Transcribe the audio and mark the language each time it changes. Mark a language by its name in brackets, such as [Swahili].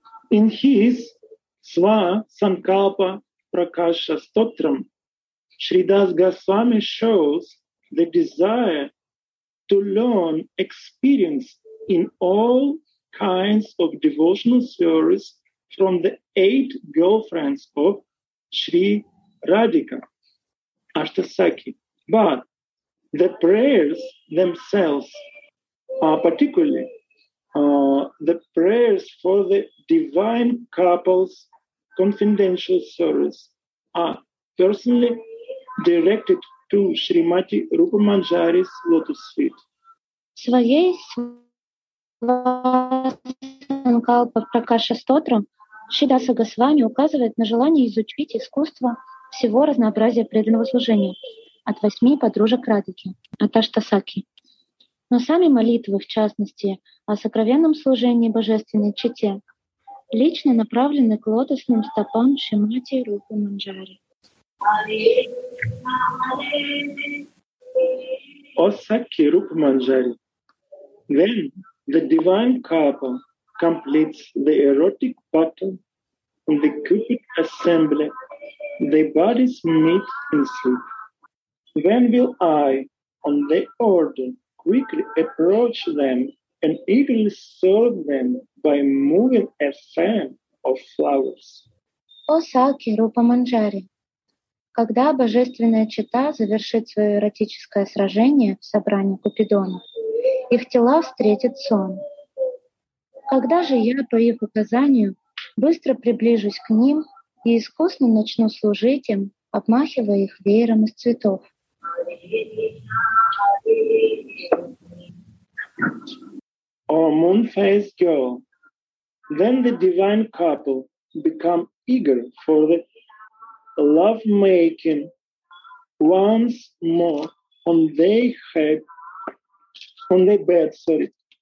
[English] In his Sva Sankalpa Prakasha Stotram, Shridas Goswami shows the desire to learn experience in all kinds of devotional service from the eight girlfriends of Sri Radhika, Ashtasakhi. But the prayers themselves Particularly, the prayers for the divine couple's confidential service are personally directed to Srimati Rupa Manjari's lotus feet. [Russian] Своей Свасанкалпа Пракаша Стотра Шридаса Госвами указывает на желание изучить искусство всего разнообразия преданного служения от восьми подружек Радхики, Аташтасаки. Но сами молитвы, в частности, о сокровенном служении Божественной Чите, лично направлены к лотосным стопам Шримати Рупы Манджари. О Саки Рупы Манджари. [English] Then the divine couple completes the erotic battle in the Cupid assembly. Their bodies meet in sleep. When will I, on their order, quickly approach them and eagerly serve them by moving a fan of flowers? [Russian] О Саки Рупа Манджари, когда божественная чита завершит свое эротическое сражение в собрании Купидонов, их тела встретят сон. Когда же я, по их указанию, быстро приближусь к ним и искусно начну служить им, обмахивая их веером из цветов? [English] О, moon-faced girl, then the divine couple become eager for the lovemaking once more on their head, on their bed, sorry.